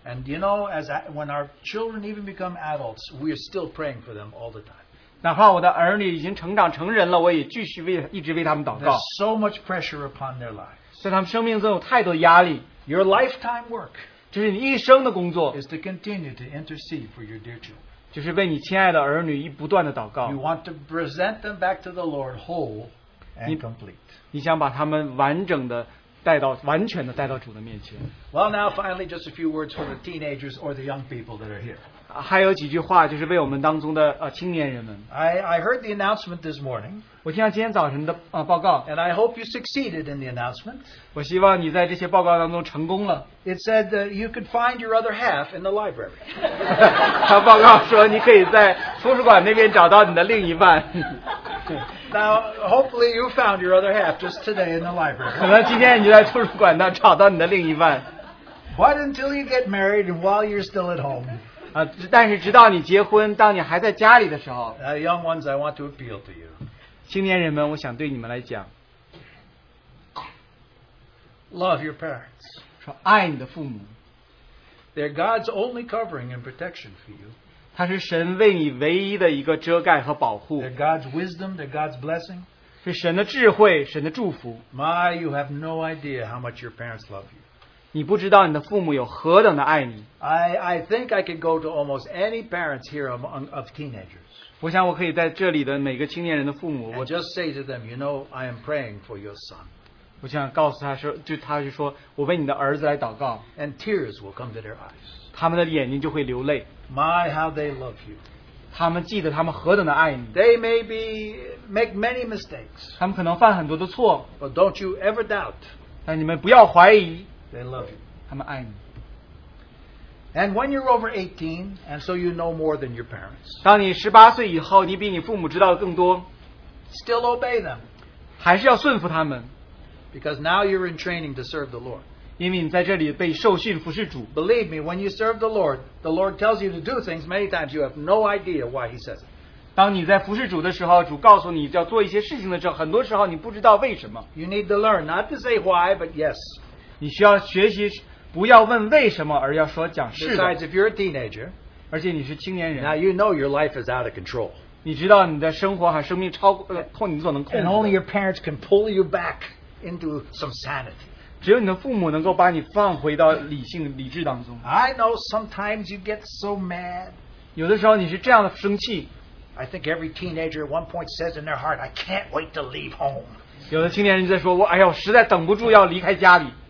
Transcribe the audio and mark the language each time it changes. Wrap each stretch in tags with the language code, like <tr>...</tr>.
<en>and you know, as when our children even become adults, we are still praying for them all the time.</en> <zh>哪怕我的儿女已经成长成人了, 我也继续为他们祷告。</zh> <en>There's so much pressure upon their lives.</en> <zh>在他们生命中有太多压力。</zh> <en>Your lifetime work</en> <zh>这是你一生的工作,</zh> <en>is to continue to intercede for your dear children.</en> <zh>就是为你亲爱的儿女不断地祷告。</zh> <en>You want to present them back to the Lord whole and complete.</en> <zh>你想把他们完整的 带到,</zh> <en>well, now finally, just a few words for the teenagers or the young people that are here.</en> <zh>还有几句话就是为我们当中的,</zh> <en>I heard the announcement this morning.</en> <zh>我听到今天早晨的,报告,</zh> <en>and I hope you succeeded in the announcement.</en> <zh>我希望你在这些报告当中成功了。</zh> <en>It said that you could find your other half in the library.</en> <zh>他报告说你可以在图书馆那边找到你的另一半。</zh> <en>Now, hopefully you found your other half just today in the library.</en> <zh>可能今天你就在图书馆那找到你的另一半。</zh> <en>But until you get married and while you're still at home,</en> <zh>但是直到你结婚, 当你还在家里的时候,</zh> <en>young ones, I want to appeal to you.</en> <zh>青年人们, 我想对你们来讲,</zh> <en>love your parents.</en> <zh>说爱你的父母。</zh> <en>They're God's only covering and protection for you.</en> <zh>他是神为你唯一的一个遮盖和保护。</zh> <en>They're God's wisdom, they're God's blessing.</en> <zh>是神的智慧, 神的祝福。</zh> <en>My, you have no idea how much your parents love you.</en> <zh>你不知道你的父母有何等的爱你。</zh> <en>I think I could go to almost any parents here of teenagers.</en> <zh>我想我可以在这里的每个青年人的父母,</zh> <en>and just say to them, you know, I am praying for your son.</en> <zh>我想告诉他说, 就他就说, 我为你的儿子来祷告。</zh> <en>And tears will come to their eyes.</en> <zh>他们的眼睛就会流泪。</zh> <en>My, how they love you.</en> <zh>他们记得他们何等的爱你。</zh> <en>They may be make many mistakes.</en> <zh>他们可能犯很多的错。</zh> <en>But don't you ever doubt.</en> <zh>但你们不要怀疑。</zh> <en>They love you.</en> <zh>他们爱你。</zh> <en>And when you're over 18, and so you know more than your parents,</en> <zh>当你18岁以后, 你比你父母知道的更多,</zh> <en>still obey them.</en> <zh>还是要顺服他们。</zh> <en>Because now you're in training to serve the Lord.</en> <zh>因为你在这里被受训服侍主。</zh> <en>Believe me, when you serve the Lord tells you to do things many times you have no idea why he says it.</en> <zh>当你在服侍主的时候, 主告诉你要做一些事情的时候, 很多时候你不知道为什么。</zh> <en>You need to learn not to say why, but yes.</en> <zh>你需要学习不要问为什么而要说讲是的。</zh> <en>Besides, if you're a teenager,</en> <zh>而且你是青年人,</zh> <en>now you know your life is out of control.</en> <zh>你知道你的生活和生命超,</zh> <en>and only your parents can pull you back into some sanity.</en> <zh>只有你的父母能够把你放回到理性理智当中。</zh> <en>I know sometimes you get so mad.</en> <zh>有的时候你是这样的生气。</zh> <en>I think every teenager at one point says in their heart, I can't wait to leave home.</en> <zh>有的青年人在说, 我实在等不住要离开家里。</zh>